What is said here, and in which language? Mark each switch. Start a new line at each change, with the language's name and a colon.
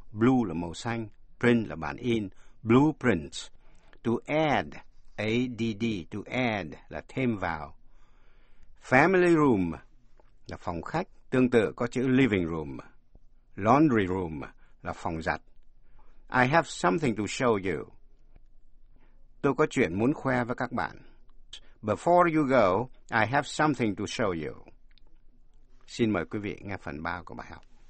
Vietnamese: Blue là màu xanh. Print là bản in. Blueprints. To add. A-D-D. To add là thêm vào. Family room là phòng khách, tương tự có chữ living room. Laundry room là phòng giặt.
English: I have something to show you.
Vietnamese: Tôi có chuyện muốn khoe với các bạn.
English: Before you go, I have something to show you.
Vietnamese: Xin mời quý vị nghe phần 3 của bài học.